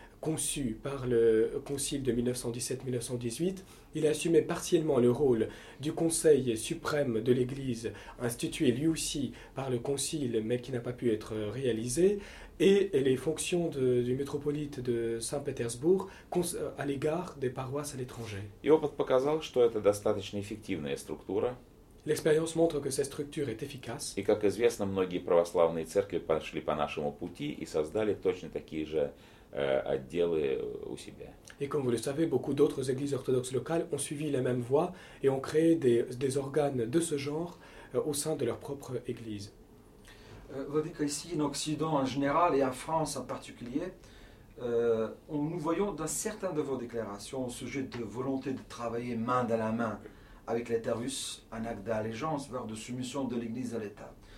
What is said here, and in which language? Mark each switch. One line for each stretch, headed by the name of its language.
French: conçu par le concile de 1917-1918, il assumait partiellement le rôle du conseil suprême de l'Église, institué lui aussi par le concile, mais qui n'a pas pu être réalisé, et les fonctions du métropolite de Saint-Pétersbourg à l'égard des paroisses à l'étranger. L'expérience montre que cette structure est efficace.
Russian: И как известно, многие православные церкви пошли по нашему пути и создали точно такие же отделы у себя.
French: Et comme vous le savez, beaucoup d'autres églises orthodoxes locales ont suivi la même voie et ont créé des organes de ce genre au sein de leur propre église. Vous dites qu'ici, en Occident en général et en France en particulier, nous voyons dans certaines de vos déclarations au sujet de volonté de travailler main dans la main avec l'État russe, un acte d'allégeance, voire de soumission de l'Église à l'État.